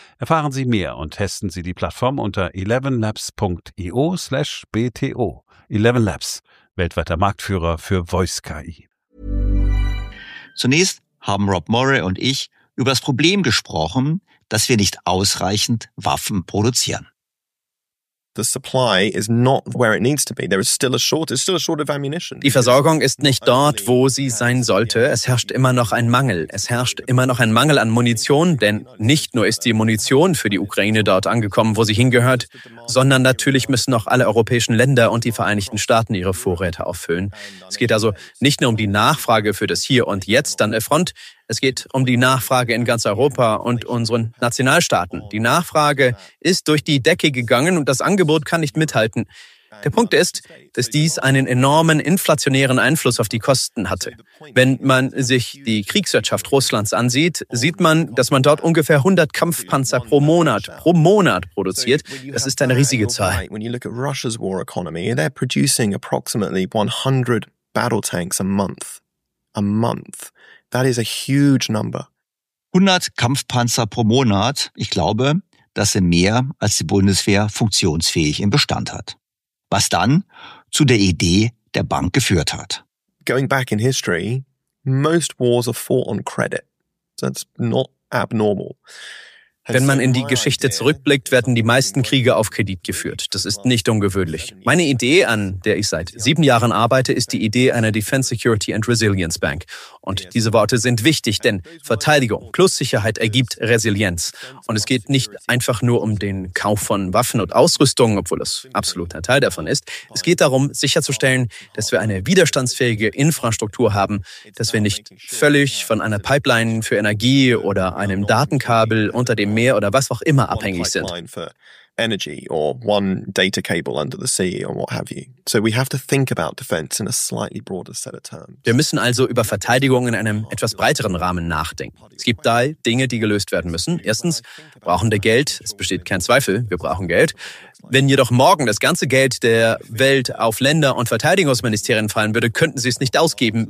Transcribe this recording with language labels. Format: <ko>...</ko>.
<de>Erfahren Sie mehr und testen Sie die Plattform unter 11labs.io/BTO. 11 Labs, weltweiter Marktführer für Voice-KI. Zunächst haben Rob Morey und ich über das Problem gesprochen, dass wir nicht ausreichend Waffen produzieren.</de> <en>The supply is not where it needs to be. There is still a short of ammunition.</en> <de>Die Versorgung ist nicht dort, wo sie sein sollte. Es herrscht immer noch ein Mangel. Es herrscht immer noch ein Mangel an Munition, denn nicht nur ist die Munition für die Ukraine dort angekommen, wo sie hingehört, sondern natürlich müssen auch alle europäischen Länder und die Vereinigten Staaten ihre Vorräte auffüllen. Es geht also nicht nur um die Nachfrage für das Hier und Jetzt an der Front. Es geht um die Nachfrage in ganz Europa und unseren Nationalstaaten. Die Nachfrage ist durch die Decke gegangen und das Angebot kann nicht mithalten. Der Punkt ist, dass dies einen enormen inflationären Einfluss auf die Kosten hatte. Wenn man sich die Kriegswirtschaft Russlands ansieht, sieht man, dass man dort ungefähr 100 Kampfpanzer pro Monat produziert. Das ist eine riesige Zahl.</de> <en>When you look at Russia's war economy, they're producing approximately 100 battle tanks a month. A month. That is a huge number.</en> <de>100 Kampfpanzer pro Monat, ich glaube, das sind mehr, als die Bundeswehr funktionsfähig im Bestand hat. Was dann zu der Idee der Bank geführt hat.</de> <en>Going back in history, most wars are fought on credit. That's not abnormal.</en> <de>Wenn man in die Geschichte zurückblickt, werden die meisten Kriege auf Kredit geführt. Das ist nicht ungewöhnlich. Meine Idee, an der ich seit 7 Jahren arbeite, ist die Idee einer Defense Security and Resilience Bank. Und diese Worte sind wichtig, denn Verteidigung plus Sicherheit ergibt Resilienz. Und es geht nicht einfach nur um den Kauf von Waffen und Ausrüstung, obwohl das absolut ein Teil davon ist. Es geht darum, sicherzustellen, dass wir eine widerstandsfähige Infrastruktur haben, dass wir nicht völlig von einer Pipeline für Energie oder einem Datenkabel unter dem Meer oder was auch immer abhängig sind.</de> <en>Energy or one data cable under the sea or what have you. So we have to think about defense in a slightly broader set of terms.</en> <de>Wir müssen also über Verteidigung in einem etwas breiteren Rahmen nachdenken. Es gibt drei Dinge, die gelöst werden müssen. Erstens brauchen wir Geld. Es besteht kein Zweifel, wir brauchen Geld. Wenn jedoch morgen das ganze Geld der Welt auf Länder und Verteidigungsministerien fallen würde, könnten sie es nicht ausgeben.</de>